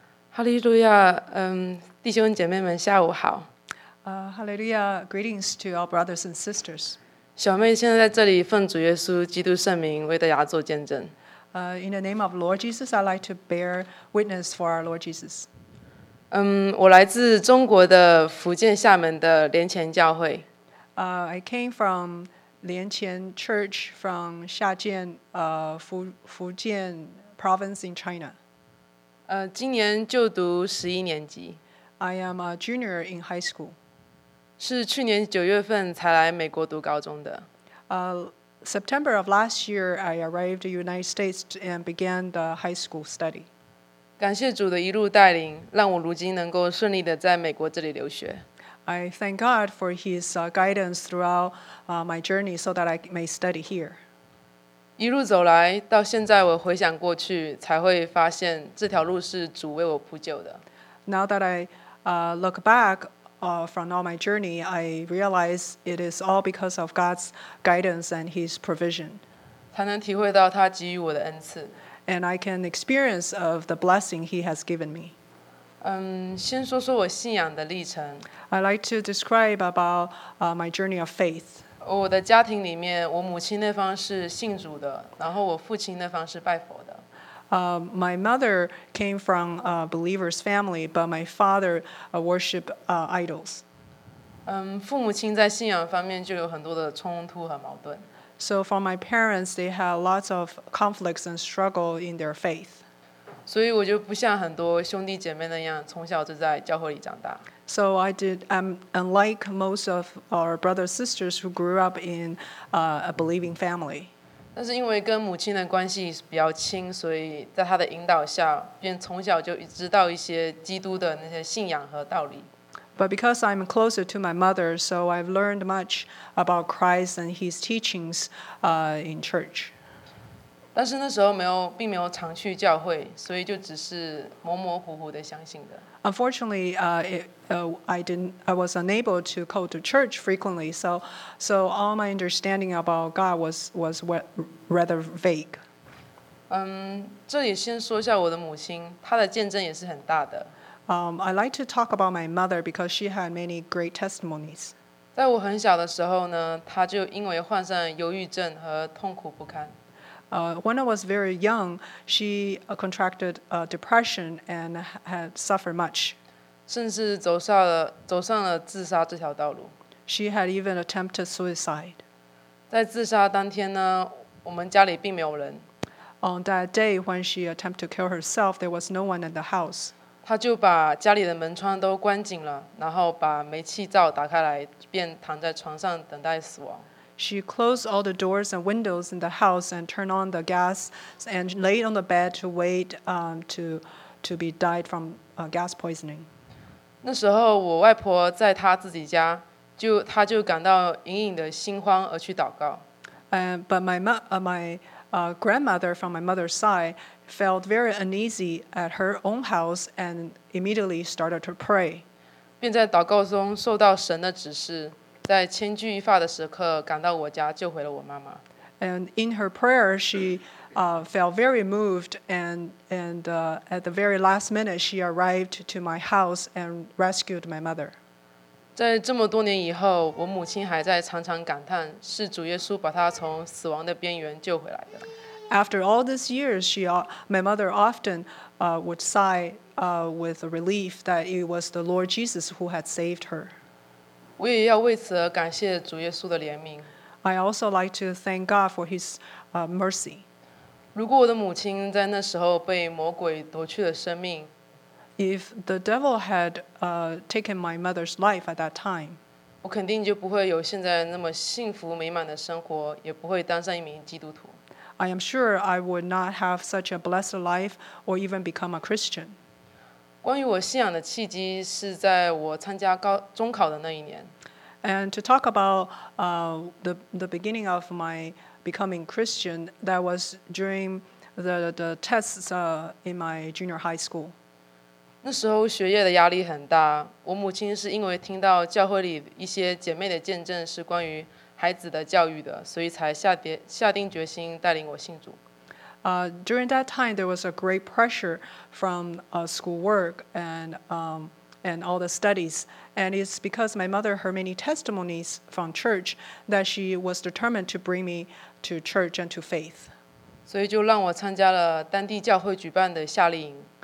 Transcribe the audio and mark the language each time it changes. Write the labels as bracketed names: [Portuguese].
[Chinese] 哈利路亚，弟兄姐妹们下午好。 [English] Hallelujah, greetings to our brothers and sisters. [Chinese] 小妹现在在这里奉主耶稣基督圣名为大家做见证。 [English] In the name of Lord Jesus, I'd like to bear witness for our Lord Jesus. [Chinese] 我来自中国的福建厦门的莲前教会。 [English] I came from 莲前 church from 厦建福建 province in China. [Chinese] 今年就读十一年级。 [English] I am a junior in high school. [Chinese] 是去年九月份才来美国读高中的。 [English] September of last year, I arrived in the United States and began the high school study. [Chinese] 感谢主的一路带领，让我如今能够顺利的在美国这里留学。 [English] I thank God for His guidance throughout my journey so that I may study here. [Chinese] 一路走来，到现在我回想过去，才会发现这条路是主为我铺就的。 [English] Now that I look back,from all my journey, I realize it is all because of God's guidance and His provision. [Chinese] 才能体会到他给予我的恩赐。 [English] And I can experience of the blessing He has given me. [Chinese] 先说说我信仰的历程。 [English] I'd like to describe about my journey of faith. [Chinese] 我的家庭里面，我母亲那方是信主的，然后我父亲那方是拜佛的。 [English] My mother came from a believer's family, but my father worshiped idols. [Chinese] 父母亲在信仰方面就有很多的冲突和矛盾。 [English] So for my parents, they had lots of conflicts and struggle in their faith. [Chinese] 所以我就不像很多兄弟姐妹那样，从小就在教会里长大。 [English] So I did. I'm unlike most of our brothers and sisters who grew up in a believing family. [Chinese] 但是因为跟母亲的关系比较亲，所以在她的引导下，便从小就知道一些基督的那些信仰和道理。 [English] But because I'm closer to my mother, so I've learned much about Christ and His teachings, in church. [Chinese] 但是那时候并没有常去教会，所以就只是模模糊糊的相信的。 [English] Unfortunately, I was unable to go to church frequently, so all my understanding about God was rather vague. [Chinese] 这里先说一下我的母亲，她的见证也是很大的。 [English] I'd like to talk about my mother because she had many great testimonies. [Chinese] 在我很小的时候呢，她就因为患上忧郁症和痛苦不堪。 [English] When I was very young, she contracted depression and had suffered much. [Chinese] 甚至走上了自杀这条道路。 [English] She had even attempted suicide. [Chinese] 在自杀当天呢，我们家里并没有人。 [English] On that day when she attempted to kill herself, there was no one in the house. [Chinese] 她就把家里的门窗都关紧了，然后把煤气灶打开来，便躺在床上等待死亡。 [English] She closed all the doors and windows in the house and turned on the gas and laid on the bed to wait to be died from gas poisoning. [Chinese] 那时候我外婆在她自己家，她就感到隐隐的心慌而去祷告。 [English] But my grandmother from my mother's side felt very uneasy at her own house and immediately started to pray. [Chinese] 并在祷告中受到神的指示。在千钧一发的时刻赶到我家救回了我妈妈。 [English] And in her prayer, she felt very moved and at the very last minute, she arrived to my house and rescued my mother. [Chinese] 在这么多年以后，我母亲还在常常感叹，是主耶稣把她从死亡的边缘救回来的。 [English] After all these years, my mother often would sigh with relief that it was the Lord Jesus who had saved her. [Chinese] 我也要为此而感谢主耶稣的怜悯。 [English] I also like to thank God for His mercy. [Chinese] 如果我的母亲在那时候被魔鬼夺去了生命 [English] ，If the devil had taken my mother's life at that time， [Chinese] 我肯定就不会有现在那么幸福美满的生活，也不会当上一名基督徒。 [English] I am sure I would not have such a blessed life or even become a Christian. [Chinese] 关于我信仰的契机是在我参加中考的那一年。 [English] And to talk about the beginning of my becoming Christian, that was during the tests in my junior high school. [Chinese] 那时候学业的压力很大，我母亲是因为听到教会里一些姐妹的见证是关于孩子的教育的，所以才下定决心带领我信主。 [English] During that time, there was a great pressure from schoolwork and all the studies. And it's because my mother heard many testimonies from church that she was determined to bring me to church and to faith. [Chinese] 所以就让我参加了当地教会举办的夏令营。